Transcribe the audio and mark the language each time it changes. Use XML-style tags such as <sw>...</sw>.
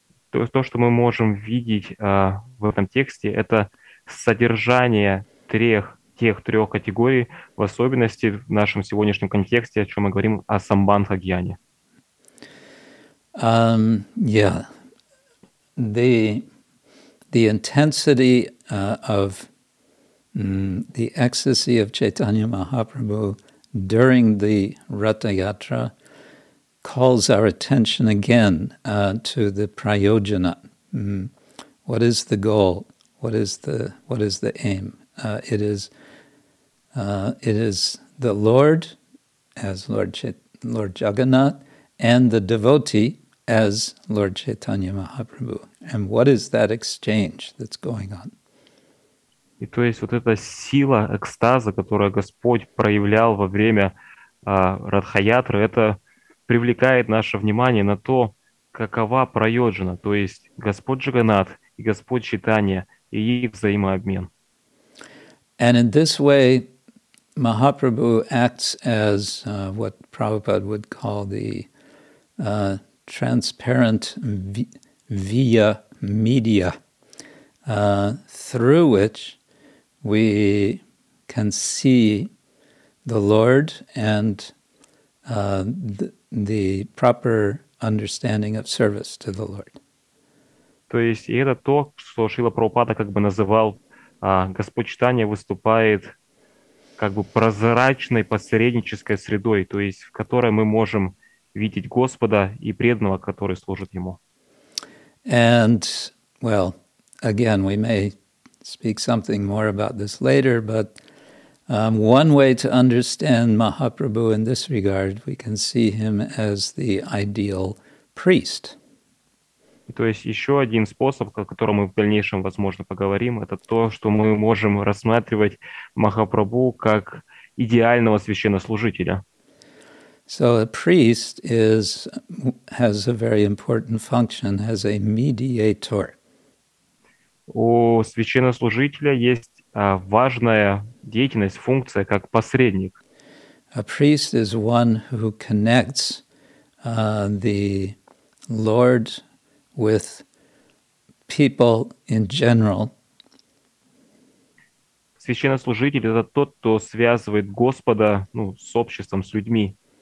<ru>То есть то, что мы можем видеть в этом тексте, это содержание тех трех категорий, в особенности в нашем сегодняшнем контексте, о чем мы говорим, о самбандха-гьяне.</ru> <en>Yeah. The intensity of the ecstasy of Chaitanya Mahaprabhu during the Ratha Yatra calls our attention again to the prayojana. What is the goal? What is the aim? It is the Lord as Lord Jagannath and the devotee as Lord Chaitanya Mahaprabhu. And what is that exchange that's going on?</en> <ru>И то есть вот эта сила экстаза, которую Господь проявлял во время Радхаятры, это привлекает наше внимание на то, какова прайоджана, то есть Господь Джаганат и Господь Читания и их взаимообмен.</ru> <en>And in this way, Mahaprabhu acts as what Prabhupada would call the transparent via media, through which we can see the Lord and the proper understanding of service to the Lord.</en> <ru>То есть, и это то, что Шрила Прабхупада как бы называл, Господь Читания выступает как бы прозрачной посреднической средой, то есть в которой мы можем видеть Господа и преданного, который служит Ему.</ru> <en>And, well, again, we may speak something more about this later, but One way to understand Mahaprabhu in this regard, we can see him as the ideal priest.</en> <ru>То есть еще один способ, о котором мы в дальнейшем, возможно, поговорим, это то, что мы можем рассматривать Махапрабху как идеального священнослужителя.</ru> <en>So a priest has a very important function, has a mediator.</en> <ru>У священнослужителя есть важная деятельность, функция как посредник.</ru> <en>A priest is one who connects the Lord with people in general.</en> <ru>Священнослужитель — это тот, кто связывает Господа, ну, с обществом, с людьми.</ru>